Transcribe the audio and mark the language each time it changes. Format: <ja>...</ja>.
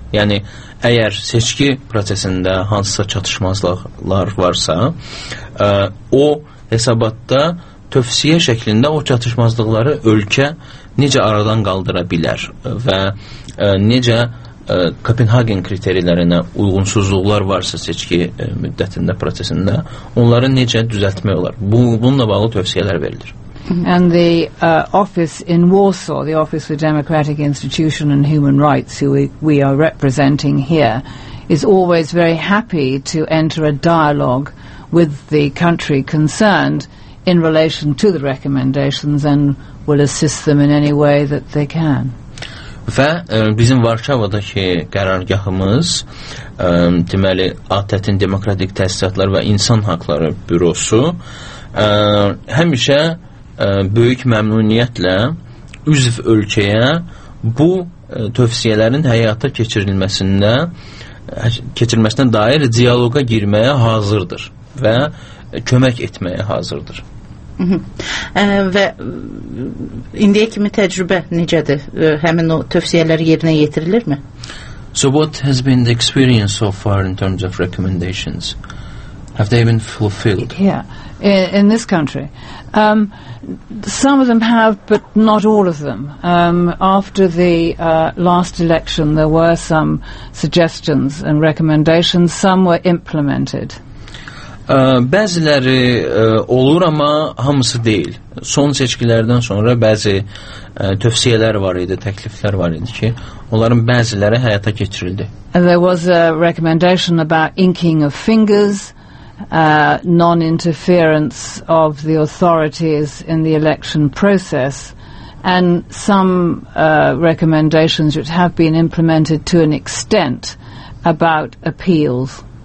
<az>Yəni, əgər seçki prosesində hansısa çatışmazlıqlar varsa, o hesabatda tövsiyə şəklində o çatışmazlıqları ölkə necə aradan qaldıra bilər və necə Kopenhagen kriterilərinə uyğunsuzluqlar varsa seçki müddətində, prosesində, onları necə düzəltmək olar? Bununla bağlı tövsiyələr verilir.</az> <en>And the office in Warsaw, the Office for Democratic Institution and Human Rights, who we are representing here, is always very happy to enter a dialogue with the country concerned in relation to the recommendations and will assist them in any way that they can.</en> <az>Və bizim Varşavadakı qərargahımız, deməli, ATƏT-in Demokratik Təsisatlar və İnsan Haqları Bürosu həmişə böyük məmnuniyyətlə üzv ölkəyə</az> <tr>bu tövsiyelerin hayata geçirilmesinde</tr> <az>keçirilməsinə dair diyaloga girməyə hazırdır və kömək etməyə hazırdır. Və indiyə kimi təcrübə necədir? Həmin o tövsiyələr yerinə yetirilirmi?</az> <en>So what has been the experience so far in terms of recommendations? Have they been fulfilled? Yeah, in this country. Some of them have, but not all of them. After the last election, there were some suggestions and recommendations. Some were implemented.</en> <az>Bəziləri olur, amma hamısı deyil. Son seçkilərdən sonra bəzi tövsiyələr var idi, təkliflər var idi ki, onların bəziləri həyata keçirildi.</az> <en>And there was a recommendation about inking of fingers, non-interference of the authorities in the election process, and some recommendations which have been implemented to an extent about appeals.</en>